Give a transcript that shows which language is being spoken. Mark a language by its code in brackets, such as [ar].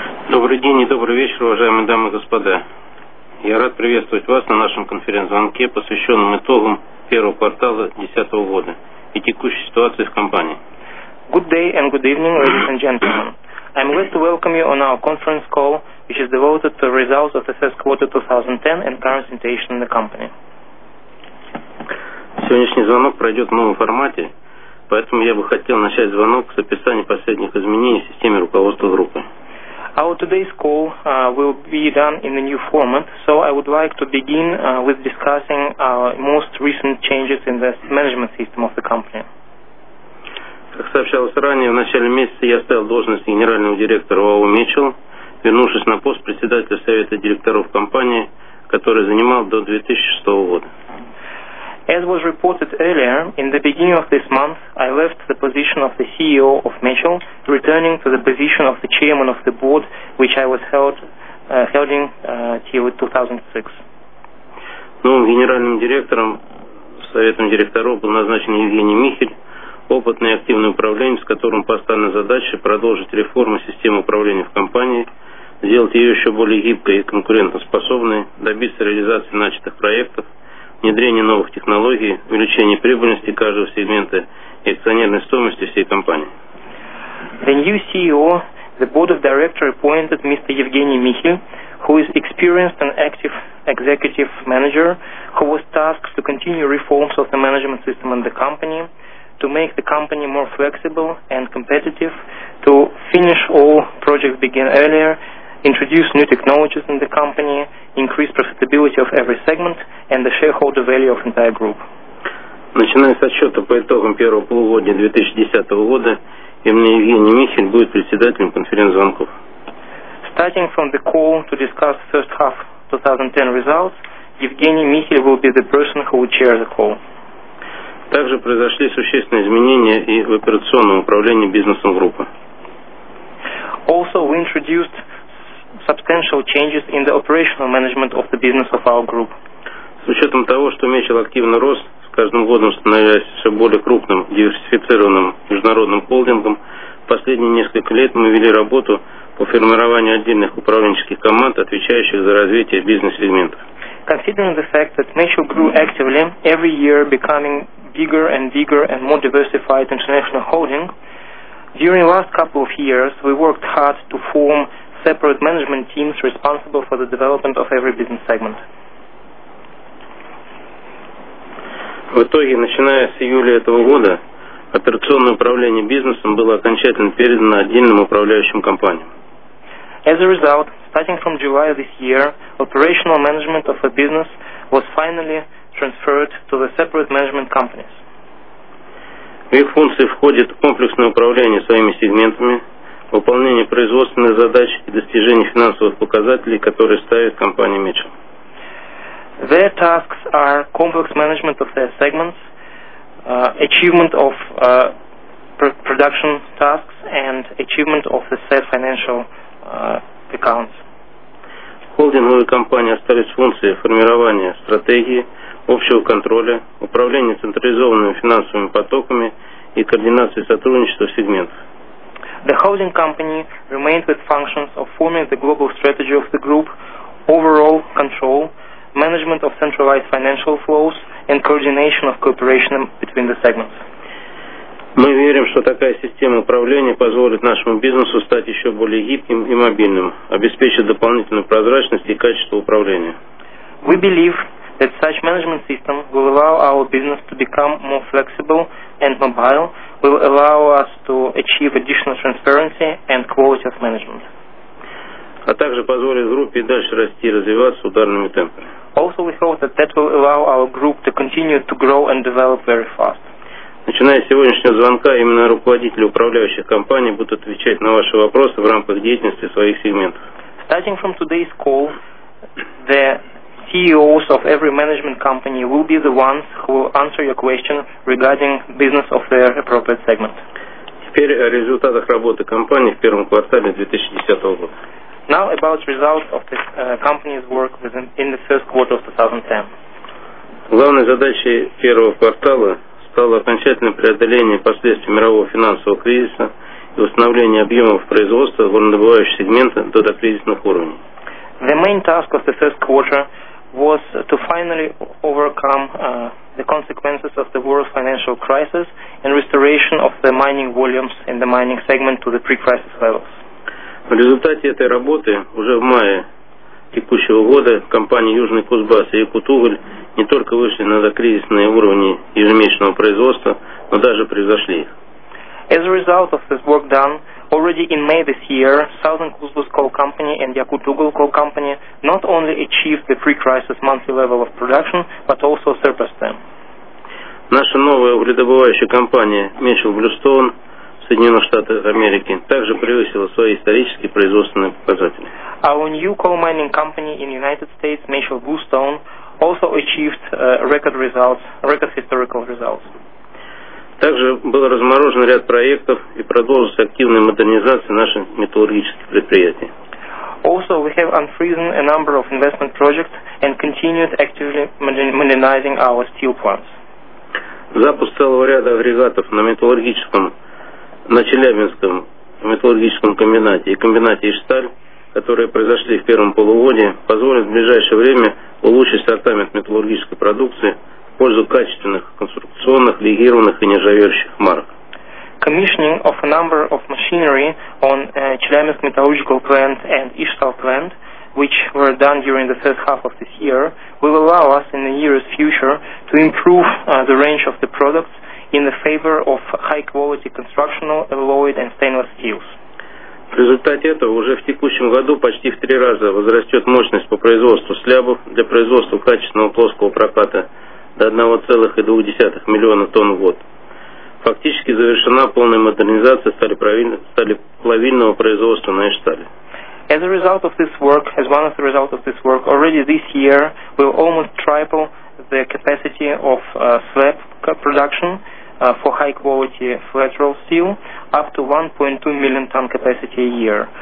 [ru] Добрый день и добрый вечер, уважаемые дамы и господа. Я рад приветствовать вас на нашем конференц-звонке, посвященном итогам первого квартала 2010 года и текущей ситуации в компании. [en] Good day and good evening, ladies and gentlemen. I'm glad to welcome you on our conference call, which is devoted to the results of the first quarter 2010 and current situation in the company. [ru] Сегодняшний звонок пройдет в новом формате, поэтому я бы хотел начать звонок с описания последних изменений в системе руководства группы. [en] Our today's call will be done in a new format, so I would like to begin with discussing our most recent changes in the management system of the company. [ru] Как сообщалось ранее, в начале месяца я оставил должность генерального директора ВАО «Митчелл», вернувшись на пост председателя совета директоров компании, который занимал до 2006 года. [en] As was reported earlier, in the beginning of this month, I left the position of the CEO of Mitchell, returning to the position of the chairman of the board, which I was holding till 2006. [ru] Новым генеральным директором, советом директоров, был назначен Евгений Михель, опытный и активный управленец, которому поставлена задача продолжить реформу системы управления в компании, сделать ее еще более гибкой и конкурентоспособной, добиться реализации начатых проектов, внедрение новых технологий, увеличение прибыльности каждого сегмента и акционерной стоимости всей компании. [en] The new CEO, the board of directors appointed Mr. Евгений Михель, who is experienced and active executive manager, who was tasked to continue reforms of the management system in the company, to make the company more flexible and competitive, to finish all projects begin earlier, introduce new technologies in the company, increase profitability of every segment, and the shareholder value of entire group. [ru] Начиная с отчета по итогам первого полугодия 2010 года, именно Евгений Михель будет председателем конференц-звонков. [en] Starting from the call to discuss first half 2010 results, Евгений Михель will be the person who will chair the call. [ru] Также произошли существенные изменения и в операционном управлении бизнесом группы. [en] Also, we introduced substantial changes in the operational management of the business of our group. [ru] С учетом того, что Mitchell активно рос, с каждым годом становясь все более крупным, диверсифицированным международным холдингом, последние несколько лет мы вели работу по формированию отдельных управленческих команд, отвечающих за развитие бизнес-сегментов. [en] Considering the fact that Mitchell grew actively every year, becoming bigger and bigger and more diversified international holding, during the last couple of years we worked hard to form separate management teams responsible for the development of every business segment. [ru] В итоге, начиная с июля этого года, операционное управление бизнесом было окончательно передано отдельным управляющим компаниям. [en] As a result, starting from July this year, operational management of a business was finally transferred to the separate management companies. [ru] В их функции входит комплексное управление своими сегментами, выполнение производственных задач и достижение финансовых показателей, которые ставит компания Mitchell. [en] Their tasks are complex management of their segments, achievement of production tasks and achievement of the said financial accounts. [ru] Холдинговые компании остались функции формирования стратегии, общего контроля, управления централизованными финансовыми потоками и координации сотрудничества сегментов. [en] The holding company remained with functions of forming the global strategy of the group, overall control, management of centralized financial flows and coordination of cooperation between the segments. [ru] Мы верим, что такая система управления позволит нашему бизнесу стать еще более гибким и мобильным, обеспечит дополнительную прозрачность и качество управления. [en] We believe that such management system will allow our business to become more flexible and mobile, will allow us to achieve additional transparency and quality of management. [ru] А также позволит группе дальше расти и развиваться ударными темпами. [en] Also we hope that that will allow our group to continue to grow and develop very fast. [ru] Начиная с сегодняшнего звонка, именно руководители управляющих компаний будут отвечать на ваши вопросы в рамках деятельности своих сегментов. [en] Starting from today's call, the CEOs of every management company will be the ones who will answer your question regarding business of their appropriate segment. [ru] Теперь о результатах работы компании в первом квартале 2010 года. [en] Now about results of the company's work in the first quarter of 2010. [ru] Главной задачей первого квартала стало окончательное преодоление последствий мирового финансового кризиса и восстановление объемов производства горнодобывающего сегмента до докризисных уровней. [en] The main task of the first quarter was to finally overcome the consequences of the world financial crisis and restoration of the mining volumes in the mining segment to the pre-crisis levels. [ru] В результате этой работы уже в мае текущего года компании Южный Кузбасс и Якутуголь не только вышли на докризисные уровни ежемесячного производства, но даже превзошли их. [en] As a result of this work done, already in May this year, Southern Kuzbass Coal Company and Yakutugol Coal Company not only achieved the pre-crisis monthly level of production, but also surpassed them. [ru] Наша новая угледобывающая компания Mitchell Bluestone в Соединенных Штатах Америки также превысила свои исторические производственные показатели. [en] Our new coal mining company in the United States, Mitchell Bluestone, also achieved record historical results. [ru] Также был разморожен ряд проектов и продолжилась активная модернизация наших металлургических предприятий. [en] Also, we have unfrozen a number of investment projects and continued actively modernizing our steel plants. [ru] Запуск целого ряда агрегатов на Челябинском металлургическом комбинате и комбинате Ишталь, которые произошли в первом полугодии, позволят в ближайшее время улучшить ассортимент металлургической продукции в пользу качественных конструкционных, легированных и нержавеющих марок. [en] Commissioning of a number of machinery on Chelyabinsk Metallurgical Plant and Ishtal Plant, which were done during the first half of this year, will allow us in the near future to improve the range of the products in the favor of high-quality constructional, alloyed and stainless steels. [ru] В результате этого уже в текущем году почти в три раза возрастет мощность по производству слябов для производства качественного плоского проката до 1,2 миллиона тонн в год. Фактически завершена полная модернизация сталеплавильного производства на Иштале. [en] As a result of this work, as one of the results of this work, already this year we'll almost triple the capacity of slab production for high-quality flat roll steel up to 1.2 million ton capacity a year.